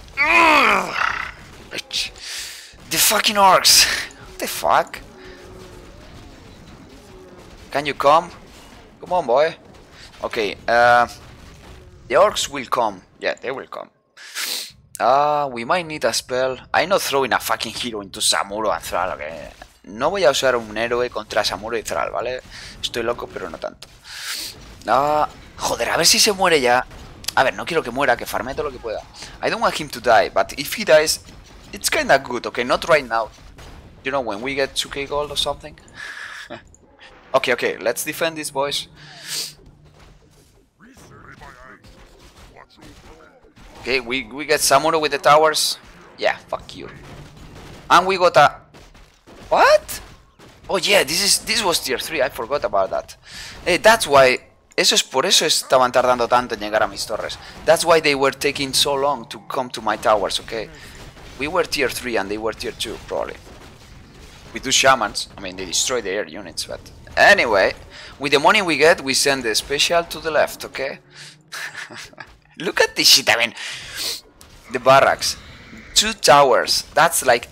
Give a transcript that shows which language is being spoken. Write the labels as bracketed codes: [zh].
[en] Bitch. The fucking orcs. What the fuck? Can you come? Come on, boy. Okay, the orcs will come. Yeah, they will come. We might need a spell. I'm not throwing a fucking hero into Samuro and Thrall, okay? [es] No voy a usar un héroe contra Samuro y Thrall, ¿vale? Estoy loco, pero no tanto. Ah, joder, a ver si se muere ya. A ver, no quiero que muera, que farme todo lo que pueda. [en] I don't want him to die, but if he dies, it's kinda good, okay? Not right now. You know, when we get 2k gold or something. Okay, okay, let's defend these boys. Okay, we get Samuro with the towers. Yeah, fuck you. And we got a... What? Oh yeah, this was tier 3, I forgot about that. Hey, that's why... [es] Eso es por eso estaban tardando tanto en llegar a mis torres. [en] That's why they were taking so long to come to my towers, okay? We were tier 3 and they were tier 2, probably. We do shamans. I mean, they destroy the air units, but... Anyway, with the money we get, we send the special to the left, okay? Look at this shit, I mean... The barracks. Two towers. That's like...